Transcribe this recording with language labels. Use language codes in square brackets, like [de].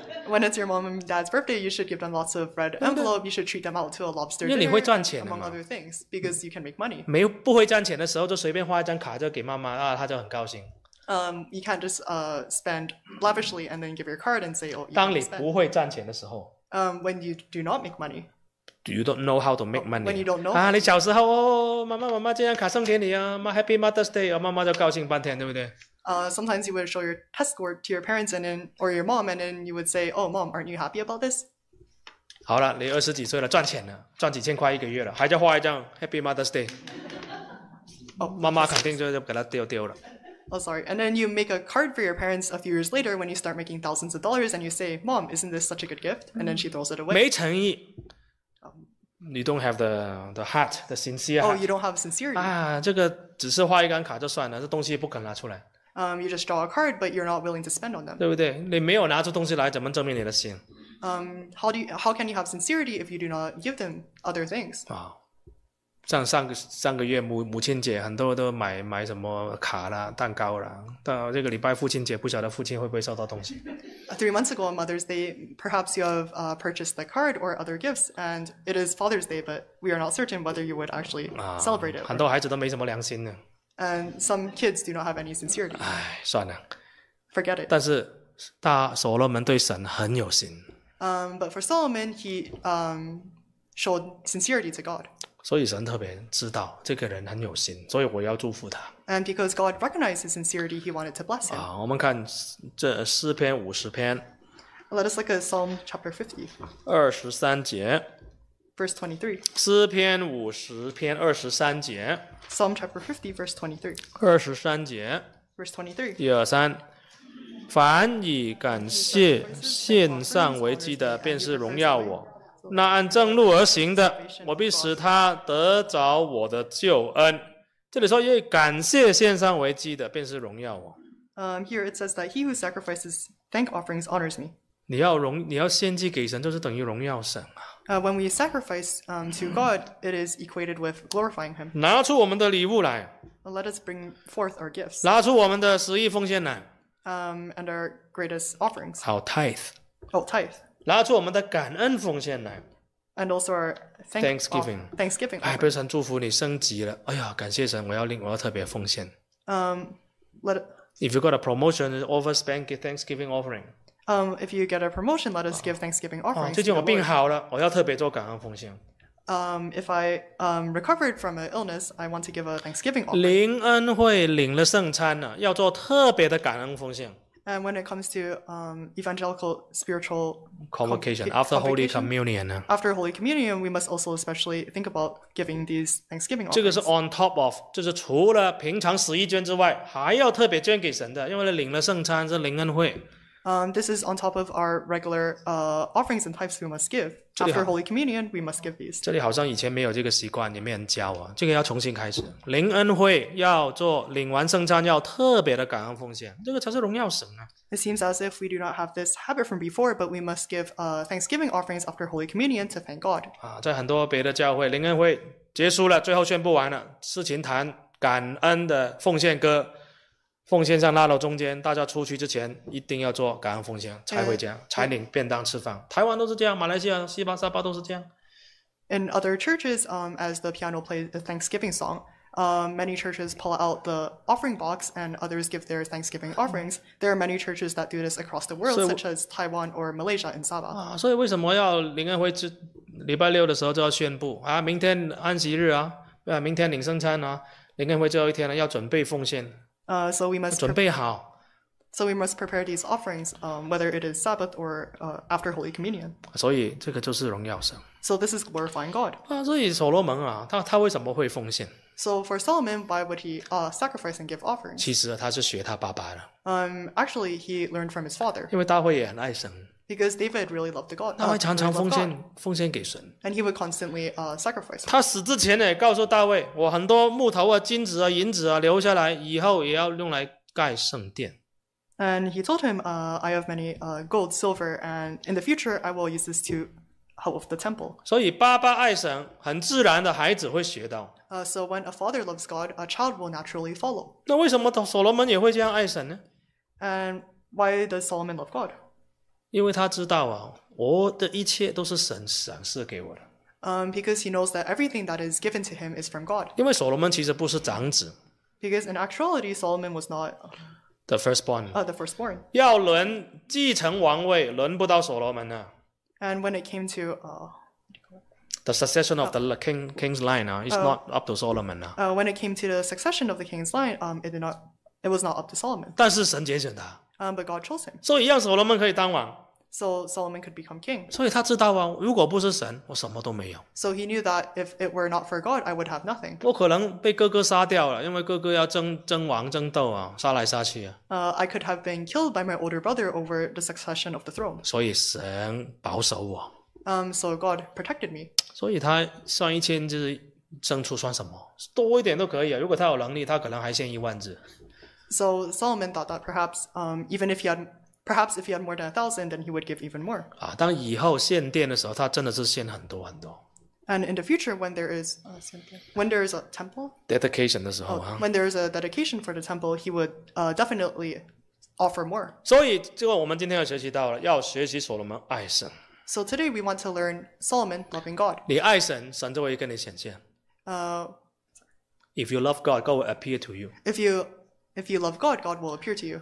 [en] When it's your mom and dad's birthday, you should give them lots of red envelope. You should treat them out to a lobster dinner. [zh] 因为你会赚钱嘛。 [en] Among other things, because you can make money. [zh] 没不会赚钱的时候，就随便画一张卡就给妈妈啊，她就很高兴。 [en] You can't just spend lavishly and then give your card and say, "Oh, you spend." [zh] 当你不会赚钱的时候。 [en] When you do not make money, do you don't know how to make money? When you don't know, [zh] 你小时候哦，妈妈妈妈这张卡送给你啊，妈 [en] Happy Mother's Day， [zh] 妈妈就高兴半天，对不对？ [en] Sometimes you would show your test score to your parents and then or your mom, and then you would say, "Oh, mom, aren't you happy about this?" [zh] 好了，你二十几岁了，赚钱了，赚几千块一个月了，还在画一张 [en] Happy Mother's Day。 [zh] 妈妈肯定就给他丢了。 [en] Oh, sorry. And then you make a card for your parents a few years later when you start making thousands of dollars and you say, "Mom, isn't this such a good gift?" And then she throws it away. [zh] 没诚意。 [en] You don't have the heart, the sincere heart. Oh, you don't have sincerity. [zh] 啊，这个只是画一张卡就算了，这东西不肯拿出来。 [en] You just draw a card, but you're not willing to spend on them. [zh] 对不对？你没有拿出东西来，怎么证明你的心？ [en] How can you have sincerity if you do not give them other things? 啊。 [zh] 像上个月母亲节，很多人都买什么卡啦、蛋糕啦。到这个礼拜父亲节，不晓得父亲会不会收到东西。 [en] 3 months ago on Mother's Day, perhaps you have purchased the card or other gifts, and it is Father's Day, but we are not certain whether you would actually celebrate it. [zh] 很多孩子都没什么良心呢。 [en] And some kids do not have any sincerity. [zh] 唉，算了。 [en] Forget it. [zh] 但是大所罗门对神很有心。 [en] But for Solomon, he showed sincerity to God. [zh] 所以神特别知道这个人很有心，所以我要祝福他。 [en] And because God recognized his sincerity, he wanted to bless him. [zh] 我们看这诗篇五十篇。 [en] Let us look at Psalm chapter 50. [zh] 二十三节。 [en] Verse 23. [zh] 诗篇五十篇二十三节。 [en] Psalm chapter 50, verse 23. [zh] 二十三节。 [en] Verse [zh] 23. 一二三。凡以感谢献上为祭的，便是荣耀我。那按正路而行的，我必使他得着我的救恩。这里说，因为感谢献上为祭的，便是荣耀我。 [en] Here it says that he who sacrifices thank offerings honors me. [zh] 你要献祭给神，就是等于荣耀神啊。 [en] When we sacrifice to God, it is equated with glorifying him. [zh] 拿出我们的礼物来。 [en] Let us bring forth our gifts. [zh] 拿出我们的十亿奉献来。 [en] And our greatest offerings. [zh] 好 tithe. [en] Oh, tithe. [zh] 拿出我们的感恩奉献来 [en] ，and also our thanksgiving. Thanksgiving. [zh] 哎，被神祝福你升级了。哎呀，感谢神，我要特别奉献。 [en] If you got a promotion, overspend Thanksgiving offering. If you get a promotion, let us give Thanksgiving offering. [zh] 最近我病好了，我要特别做感恩奉献。 [en] If I recovered from an illness, I want to give a Thanksgiving offering. [zh] 灵恩惠领了圣餐了，要做特别的感恩奉献。 [en] And when it comes to evangelical spiritual convocation, after Holy Communion, we must also especially think about giving these Thanksgiving offerings. [zh] 这个是 [en] on top of， [zh] 就是除了平常十一捐之外，还要特别捐给神的，因为领了圣餐是灵恩会。 [en] This is on top of our regular offerings and tithes we must give. After Holy Communion, we must give these. [zh] 这里好像以前没有这个习惯，也没人教啊，这个要重新开始。灵恩会要做，领完圣餐要特别的感恩奉献，这个才是荣耀神啊。 [en] It seems as if we do not have this habit from before, but we must give Thanksgiving offerings after Holy Communion to thank God. [zh] 在很多别的教会，灵恩会结束了，最后宣布完了，事情谈感恩的奉献歌。奉献上拉到中间，大家出去之前一定要做感恩奉献，才回家，才领便当吃饭。台湾都是这样，马来西亚、西班牙、沙巴都是这样。 [en] In other churches, as the piano plays the Thanksgiving song, Many churches pull out the offering box and others give their Thanksgiving offerings. There are many churches that do this across the world, such as Taiwan or Malaysia in Sabah. [zh] 所以为什么要灵恩会之礼拜六的时候就要宣布啊，明天安息日啊，啊，明天领圣餐啊，灵恩会最后一天了，要准备奉献。 [en] So we must [zh] 准备好。 [en] So we must prepare these offerings, whether it is Sabbath or after Holy Communion. [zh] 所以这个就是荣耀神。 [en] So this is glorifying God. [zh] 所以所罗门啊，他为什么会奉献？ [en] So for Solomon, why would he sacrifice and give offerings? [zh] 其实他是学他爸爸的。 [en] Actually, he learned from his father. [zh] 因为大卫也很爱神。 [en] Because David really loved the God. [zh] 他会常常奉献给神。 [en] And he would constantly sacrifice. [zh] 他死之前呢，告诉大卫，我很多木头啊、金子啊、银子啊留下来，以后也要用来盖圣殿。 [en] And he told him, I have many gold, silver, and in the future, I will use this to help with the temple. [zh] 所以爸爸爱神，很自然的孩子会学到。 [en] So when a father loves God, a child will naturally follow. [zh] 那为什么所罗门也会这样爱神呢？ [en] And why does Solomon love God? [zh] 因为他知道啊，我的一切都是神赏赐给我的。 [en] Because he knows that everything that is given to him is from God. [zh] 因为所罗门其实不是长子。 [en] Because in actuality, Solomon was not the firstborn. The firstborn. [zh] 要轮继承王位，轮不到所罗门啊。 [en] And when it came to the succession of the king's line, it's not up to Solomon. When it came to the succession of the king's line, it was not up to Solomon. [zh] 但是神拣选他。 [en] But God chose him. [zh] 所以让所罗门可以当王。 [en] So Solomon could become king. [zh] 所以他知道啊，如果不是神，我什么都没有。 [en] So he knew that if it were not for God, I would have nothing. [zh] 我可能被哥哥杀掉了，因为哥哥要争王争斗啊，杀来杀去啊。 [en] I could have been killed by my older brother over the succession of the throne. [zh] 所以神保守我。 [en] So God protected me. [zh] 所以他算一千只牲畜算什么？多一点都可以啊。如果他有能力，他可能还献一万只。 [en] So Solomon thought that perhaps, even if he had Perhaps if he had more than 1,000, then he would give even more. [zh] 啊，当以后献殿的时候，他真的是献很多很多。 [en] And in the future, when there is a temple [zh] dedication 的时候， [en] when there is a dedication for the temple, he would definitely offer more. [zh] 所以，这个我们今天要学习到了，要学习所罗门爱神。 [en] So today we want to learn Solomon loving God. [zh] 你爱神，神就会跟你显现。 [en] If you love God, God will appear to you. If you love God, God will appear to you.